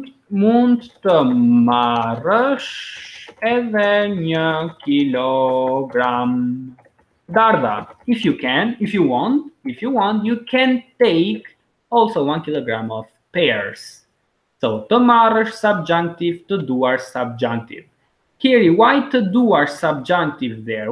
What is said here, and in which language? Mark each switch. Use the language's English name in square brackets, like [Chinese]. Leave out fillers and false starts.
[Albanian] Mund të marrësh edhe një kilogram darda. [English] If you want, you can take also 1 kilogram of pears. So të marrësh subjunctive, të duar subjunctive. Kiri, why të duar subjunctive there?